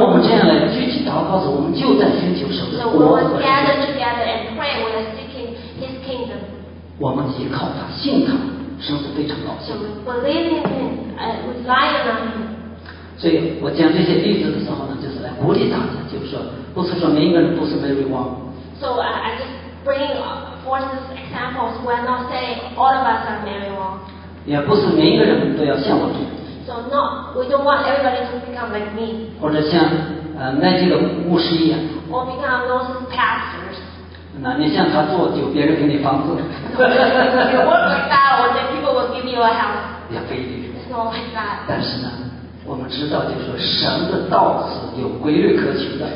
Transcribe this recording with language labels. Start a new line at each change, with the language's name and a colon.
Chinese: 我们这样来聚集祷告时，我们就在寻求神的国和圣灵。
English: So when we gather together and pray, we are seeking His kingdom.
Chinese: 我们依靠他，信他，神是非常高兴。
English: So we believe in Him, we rely on Him.
Chinese: 所以我讲这些例子的时候呢，就是来鼓励大家，就是说，不是说每一个人都是 Mary Wong。
English: So I just bring forth these examples. We're not saying all of us are Mary Wong.
Chinese: 也不是每一个人都要像我这样。
English: So no, we don't want everybody to become like me.
Chinese: 或者像那几个牧师一样。
English: Or become those pastors.
Chinese: 那你像他做久，别人给你房子。
English: You work like that, or then people will give you a house.
Chinese: 也非得。
English: It's not like that.
Chinese: 但是呢。我们知道，就是说神的道是有规律可循的。